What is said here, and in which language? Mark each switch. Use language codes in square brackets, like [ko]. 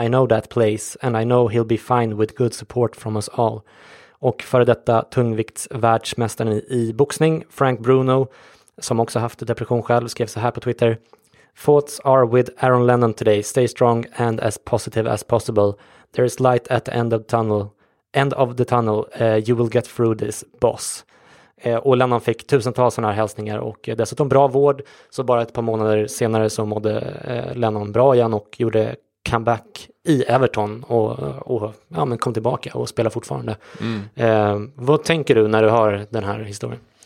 [en] I know that place and I know he'll be fine with good support from us all." [sv] Och före detta tungviktsvärldsmästaren i boxning, Frank Bruno, som också haft depression själv, skrev så här på Twitter: [en] "Thoughts are with Aaron Lennon today. Stay strong and as positive as possible. There is light at the end of the tunnel. End of the tunnel, you will get through this, boss." [sv] Och Lennon fick tusentals sådana här hälsningar och dessutom bra vård. Så bara ett par månader senare så mådde Lennon bra igen och gjorde comeback i Everton. Och ja, men kom tillbaka och spelar fortfarande. Vad tänker du när du hör den här historien?